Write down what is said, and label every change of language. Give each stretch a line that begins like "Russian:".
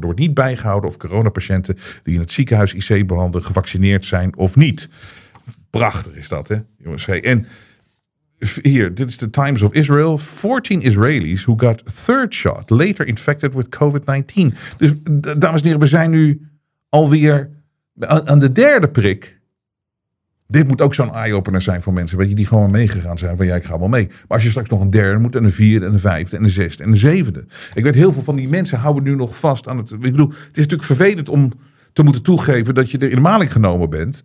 Dutch: Er wordt niet bijgehouden of coronapatiënten die in het ziekenhuis IC behandelen gevaccineerd zijn of niet. Prachtig is dat, hè, jongens. Hey, en hier, dit is de Times of Israel.
English: 14 Israelis who got third shot later infected with COVID-19.
Dutch: Dus, dames en heren, we zijn nu alweer aan de derde prik. Dit moet ook zo'n eye-opener zijn voor mensen, weet je, die gewoon meegegaan zijn van ja, ik ga wel mee. Maar als je straks nog een derde moet en een vierde en een vijfde en een zesde en een zevende. Ik weet, heel veel van die mensen houden nu nog vast aan het... Ik bedoel, het is natuurlijk vervelend om te moeten toegeven dat je er in de maling genomen bent.